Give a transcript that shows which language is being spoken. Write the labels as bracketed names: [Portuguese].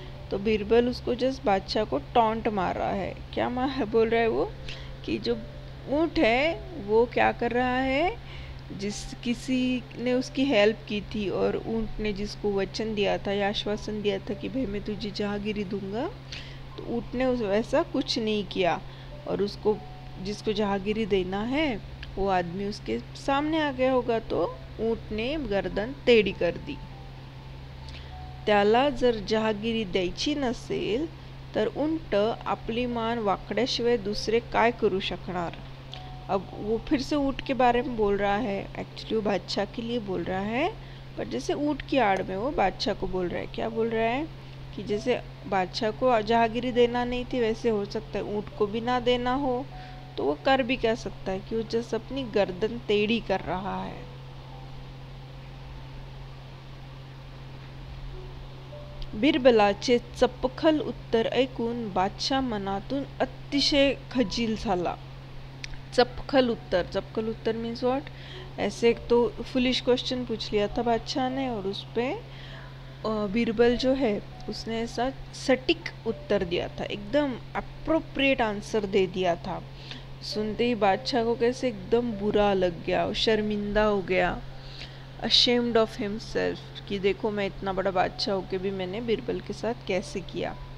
[Hindi] तो बीरबल उसको जस्ट बादशाह को टॉन्ट मार रहा है, क्या मार है बोल रहा है वो कि जो ऊँट है वो क्या कर रहा है, जिस किसी ने उसकी हेल्प की थी और ऊंट ने जिसको वचन दिया था या आश्वासन दिया था कि भाई मैं तुझे जहागीरी दूंगा, तो ऊंट ने उस वैसा कुछ नहीं किया, और उसको जिसको जहागीरी देना है वो आदमी उसके सामने आ गया होगा, तो ऊंट ने गर्दन टेढ़ी कर दी। [Marathi] त्याला जर जहागीरी द्यायची नसेल तर ऊंट आपली मान वाकड्याशिवाय दुसरे काय करू शकणार। [Hindi] अब वो फिर से ऊँट के बारे में बोल रहा है, एक्चुअली वो बादशाह के लिए बोल रहा है, पर जैसे ऊँट की आड़ में वो बादशाह को बोल रहा है। क्या बोल रहा है कि जैसे बादशाह को जहांगीरी देना नहीं थी, वैसे हो सकता है ऊँट को भी ना देना हो, तो वो कर भी कह सकता है कि वो जस अपनी गर्दन टेढ़ी कर रहा है। [Marathi] बिरबलाचे चपखल उत्तर ऐकून बादशाह मनातून अतिशय खजील झाला। चपखल उत्तर, चपखल उत्तर [English] means what, [Hindi] ऐसे एक तो फुलिश क्वेश्चन पूछ लिया था बादशाह ने, और उस पे बीरबल जो है उसने ऐसा सटीक उत्तर दिया था, एकदम अप्रोप्रिएट आंसर दे दिया था। सुनते ही बादशाह को कैसे एकदम बुरा लग गया, शर्मिंदा हो गया, [English] ashamed of himself [Hindi] कि देखो मैं इतना बड़ा बादशाह होके भी मैंने बीरबल के साथ कैसे किया।